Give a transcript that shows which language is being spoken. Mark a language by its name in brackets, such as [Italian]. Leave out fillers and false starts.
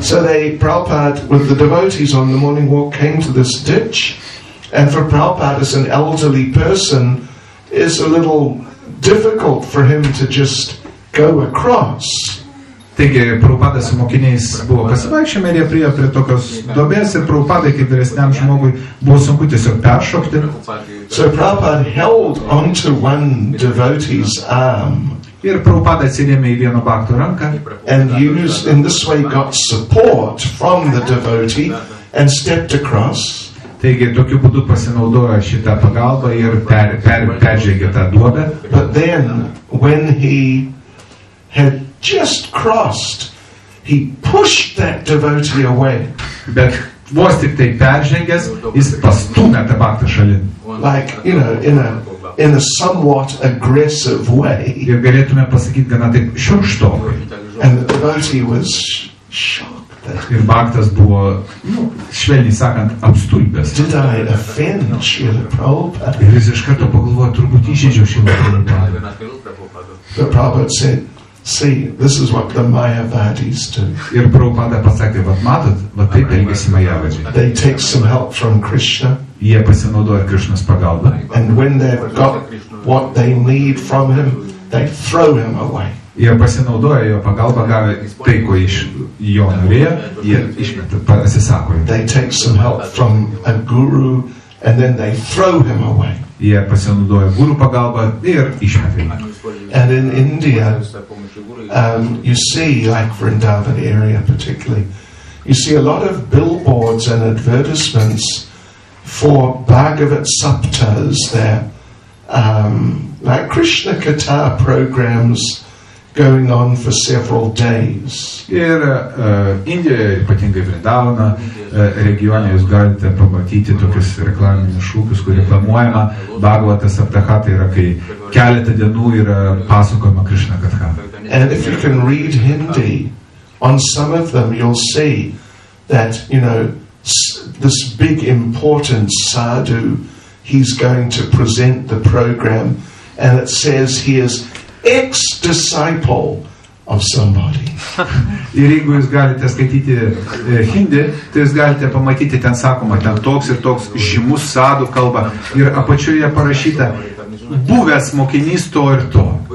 [English] So they, Prabhupada, with the devotees on the morning walk, came to this ditch, And for Prabhupada, as an elderly person, it's a little difficult for him to just go across. [Lithuanian] Taigi, Prabhupada su mokiniais buvo pasivaikščiojimą ir jie priėjo prie tokios duobės ir Prabhupada, kaip vyresniam žmogui, buvo sunku tiesiog peršokti. [English] So Prabhupada held onto one devotee's arm. [Lithuanian] Ir Prabhupada atsirėmė į vieno bhakto ranką. [English] And used in this way got support from the devotee and stepped across. [Lithuanian] Taigi, tokiu būdu pasinaudojo šitą pagalbą ir peržengė tą duobę. [English] But then, when he had just crossed, he pushed that devotee away. [Lithuanian] Bet vos tik tai peržengęs, jis pastūmė tą bhaktą šalin. [English] Like, you know, in a somewhat aggressive way. [Lithuanian] Ir galėtume pasakyti gana taip šiurkštokai. [English] And the devotee was shocked. That [Lithuanian] ir bhaktas buvo, švelniai sakant, apstulbęs. [English] Did I offend Srila Prabhupada? [Lithuanian] Ir jis iš karto pagalvojo, turbūt įžeidžiau Srila Prabhupada. [English] The Prabhupada said, see, this is what the Mayavadis do. [Lithuanian] Ir Prabhupada pasakė, vat matot, vat taip elgiasi Mayavadžiai. [English] They take some help from Krishna. [Lithuanian] Jie pasinaudoja Krishnas pagalba. [English] And when they've got what they need from him, they throw him away. [Lithuanian] Jie pasinaudoja jo pagalba, gavę tai, ko iš jo norėjo, jie išmeta, pasisako. [English] They take some help from a guru, and then they throw him away. [Lithuanian] Jie pasinaudoja guru pagalba ir išmeta. [English] And in India, you see, like Vrindavan area particularly, you see a lot of billboards and advertisements for Bhagavat Saptas there, like Krishna Katha programs going on for several days. [Lithuanian] Ir Indijoje, ypatingai Vrindavano regione, jūs galite pamatyti tokius reklaminius šūkius, kur reklamuojama Bhagavata Saptaha, tai yra, kai keletą dienų yra pasakojama Krishna Katha. [English] And if you can read Hindi, on some of them you'll see that, you know, this big important sadhu, he's going to present the program, and it says he is ex-disciple of somebody. [Lithuanian] Ir jeigu jūs galite skaityti Hindi, tai jūs galite pamatyti, ten sakoma, ten toks ir toks žymus sadhu kalba, ir apačioje parašyta, buvęs mokinys to ir to.